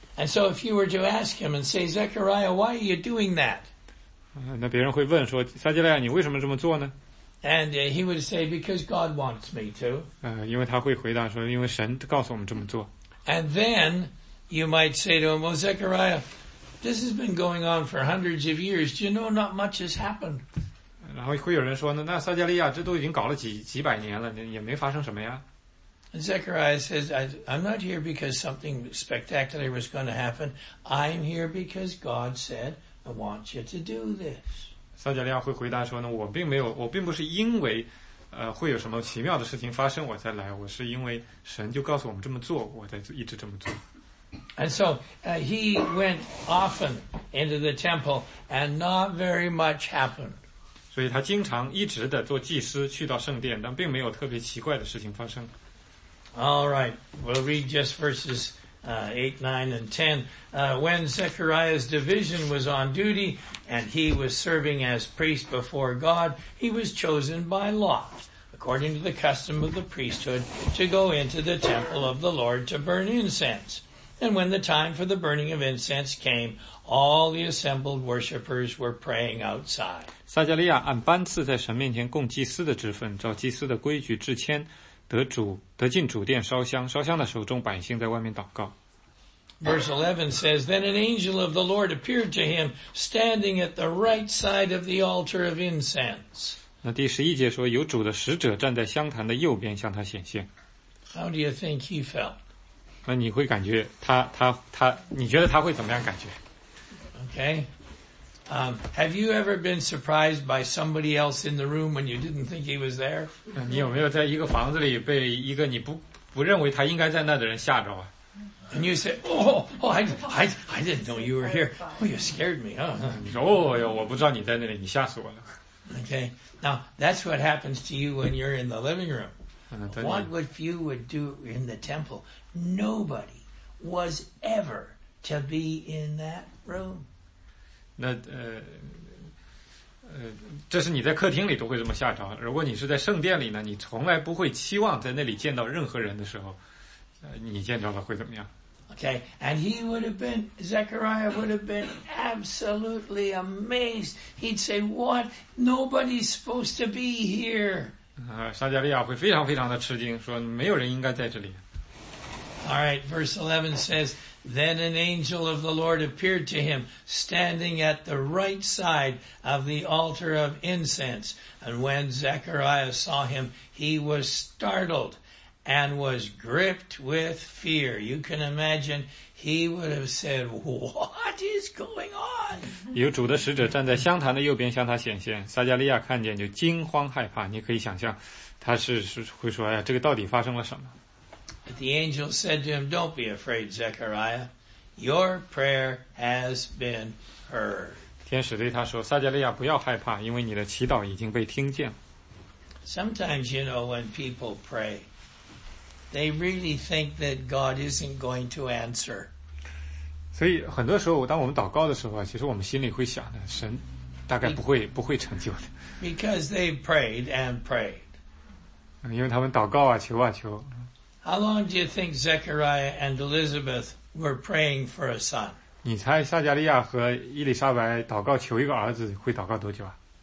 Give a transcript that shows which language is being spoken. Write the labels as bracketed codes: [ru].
[en] And so if you were to ask him and say, Zechariah, why are you doing that? [zh] 那别人会问说撒加利亚你为什么这么做呢？ [en] And he would say, because God wants me to. [zh] 因为他会回答说因为神告诉我们这么做。 [en] And then you might say to him, well, Zechariah, this has been going on for hundreds of years. Do you know not much has happened? [zh] 然后会有人说呢那撒加利亚这都已经搞了几百年了也没发生什么呀。 [en] And Zechariah says, I'm not here because something spectacular was going to happen. I'm here because God said, I want you to do this. [zh] 撒加利亚会回答说呢我并不是因为会有什么奇妙的事情发生我才来我是因为神就告诉我们这么做我在一直这么做。 [en] And so, he went often into the temple and not very much happened. [zh] 所以他经常一直的做祭司去到圣殿但并没有特别奇怪的事情发生。 [en] All right, we'll read just verses 8, 9, and 10. When Zechariah's division was on duty and he was serving as priest before God, he was chosen by lot, according to the custom of the priesthood, to go into the temple of the Lord to burn incense. And when the time for the burning of incense came, all the assembled worshippers were praying outside. [zh] 撒加利亚按班次在神面前供祭司的职分，照祭司的规矩致谦。得进主殿烧香烧香的时候众百姓在外面祷告 [en] Verse 11 says Then an angel of the Lord appeared to him standing at the right side of the altar of incense [zh] 那第十一节说有主的使者站在香坛的右边向他显现 [en] How do you think he felt? [zh] 那你会感觉他你觉得他会怎么样感觉 [en] Okay Have you ever been surprised by somebody else in the room when you didn't think he was there? [zh] 你有没有在一个房子里被一个你不认为他应该在那的人吓着啊？ [en] And you say, I didn't know you were here. Oh, you scared me, huh? [zh] 你说，哦哟，我不知道你在那里，你吓死我了。 [en] Okay, now that's what happens to you when you're in the living room. What would few would do in the temple? Nobody was ever to be in that room. [zh] 那这是你在客厅里都会这么吓着。如果你是在圣殿里呢，你从来不会期望在那里见到任何人的时候，你见着了会怎么样？ [en] Okay, and he would have been, Zechariah would have been absolutely amazed. He'd say, what? Nobody's supposed to be here. [zh] 撒加利亚会非常非常的吃惊，说没有人应该在这里。 [en] Alright, verse 11 says, Then an angel of the Lord appeared to him, standing at the right side of the altar of incense. And when Zechariah saw him, he was startled and was gripped with fear. You can imagine, he would have said, What is going on? [zh] 有主的使者站在香坛的右边向他显现，撒加利亚看见就惊慌害怕。你可以想象，他是会说，哎呀，这个到底发生了什么？ [en] But the angel said to him, Don't be afraid, Zechariah. Your prayer has been heard. [zh] 天使对他说，撒加利亚不要害怕，因为你的祈祷已经被听见。 [en] Sometimes, you know, when people pray, they really think that God isn't going to answer. [zh] 所以很多时候，当我们祷告的时候，其实我们心里会想的，神大概不会成就的。 [en] Because they prayed and prayed. [zh] 因为他们祷告啊，求啊，求。 [en] How long do you think Zechariah and Elizabeth were praying for a son? [zh] 你猜撒加利亚和伊丽莎白祷告求一个儿子会祷告多久啊？